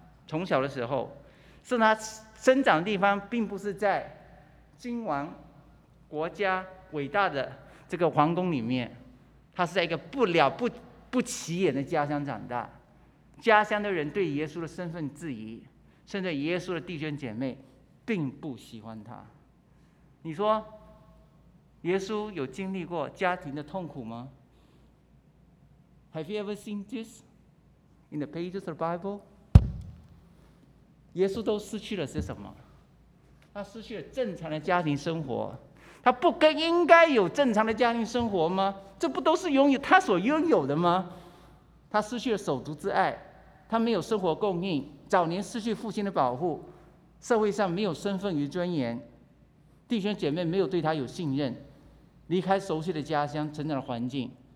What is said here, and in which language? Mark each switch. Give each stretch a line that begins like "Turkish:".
Chinese: 从小的时候，是他生长的地方并不是在君王、国家伟大的这个皇宫里面，他是在一个不起眼的家乡长大。家乡的人对耶稣的身份质疑，甚至耶稣的弟兄姐妹并不喜欢他。你说耶稣有经历过家庭的痛苦吗？
English: Have you ever seen this in the pages of the Bible?
Chinese: 耶稣都失去了些什么？他失去了正常的家庭生活，他不更应该有正常的家庭生活吗？这不都是拥有他所拥有的吗？他失去了手足之爱，他没有生活供应，早年失去父亲的保护，社会上没有身份与尊严，弟兄姐妹没有对他有信任，离开熟悉的家乡，成长的环境。